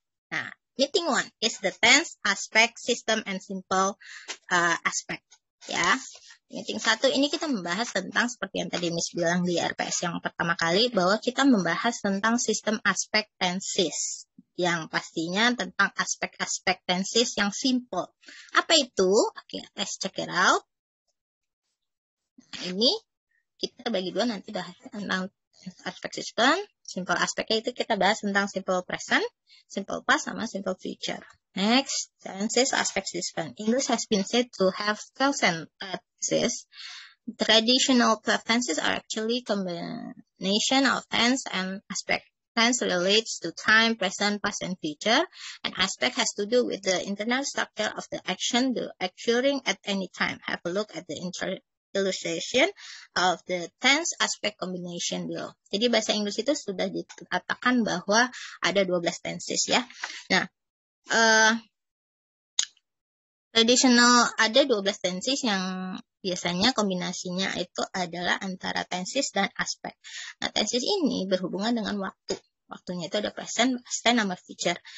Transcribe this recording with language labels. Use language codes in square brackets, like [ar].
[en] Nah, meeting one is the tense, aspect, system, and simple aspect. [id] Ya, meeting satu ini kita membahas tentang seperti yang tadi Miss bilang di RPS yang pertama kali, bahwa kita membahas tentang sistem aspek tenses, yang pastinya tentang aspek-aspek tenses yang simple. Apa itu? Oke, [en] let's check it out. [id] Nah, ini kita bagi dua nanti dah, tentang aspek sistem. Simple aspeknya itu kita bahas tentang simple present, simple past, sama simple future. [en] Next, tenses aspect system. English has been said to have thousand tenses. Traditional tenses are actually combination of tense and aspect. Tense relates to time, present, past, and future. And aspect has to do with the internal structure of the action occurring at any time. Have a look at the illustration of the tense aspect combination below. [id] Jadi bahasa Inggris itu sudah dikatakan bahwa ada 12 tenses ya. Nah, traditional ada 12 tenses yang biasanya kombinasinya itu adalah antara tenses dan aspek. Nah, tenses ini berhubungan dengan waktu. Waktunya itu ada present, past tense, sama future.